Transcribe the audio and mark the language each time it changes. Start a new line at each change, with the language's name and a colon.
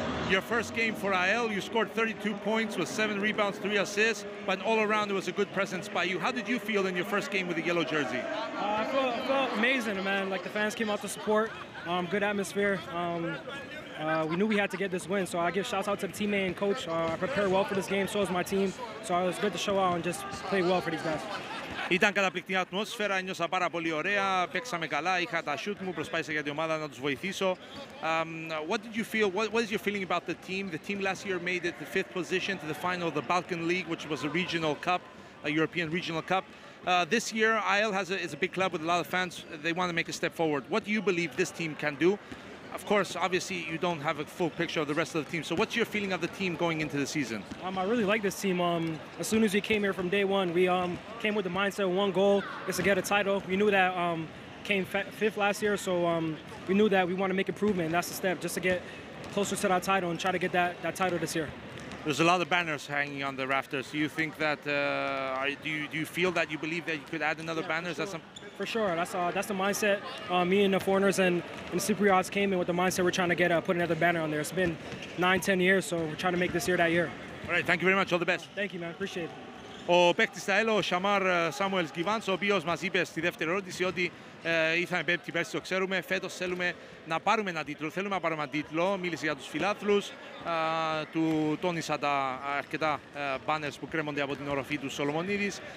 English: Your first game for IL, you scored 32 points with 7 rebounds, 3 assists, but all around it was a good presence by you. How did you feel in your first game with the yellow jersey? I felt amazing, man. Like, the fans came out to support, good atmosphere. We knew we had to get this win, so I give shouts out to the teammate and coach. I prepared well for this game, so is my team. So it was good to show out and just play well for these guys.
Greek: Ήταν καταπληκτική ατμόσφαιρα, νιώσα πάρα πολύ ωραία, παίξαμε καλά, είχα τα shoot μου, προσπάθησα για την ομάδα να τους βοηθήσω.
English: What did you feel, what is your feeling about the team? The team last year made it the fifth position to the final of the Balkan League, which was a regional cup, a European regional cup. This year, IL has is a big club with a lot of fans, they want to make a step forward. What do you believe this team can do? Of course, obviously, you don't have a full picture of the rest of the team. So what's your feeling of the team going into the season? I really like this team. As soon as we came here from day one, we came with the mindset of one goal, is to get a title. We knew that came fifth last year, so we knew that we want to make improvement. That's the step, just to get closer to that title and try to get that title this year. There's a lot of banners hanging on the rafters. Do you think that, do you feel that you believe that you could add another banner? Sure. For sure. That's the mindset. Me and the foreigners and the Cypriots came in with the mindset we're trying to get put another banner on there. It's been 9-10 years, so we're trying to make this year that year. All right, thank you very much. All the best. Thank you, man. Appreciate it.
Greek: Ο παίκτης στα ΕΛΟ, ο Σαμάρ Σάμουελ Γκιβανς, ο οποίος μας είπε στη δεύτερη ερώτηση ότι ήρθαμε πέμπτη πέρσι, το ξέρουμε. Φέτος θέλουμε να πάρουμε ένα τίτλο. Θέλουμε να πάρουμε ένα τίτλο. Μίλησε για τους φιλάθλους. Του τόνισα τα αρκετά μπάνερς που κρέμονται από την οροφή του Σολομονίδης.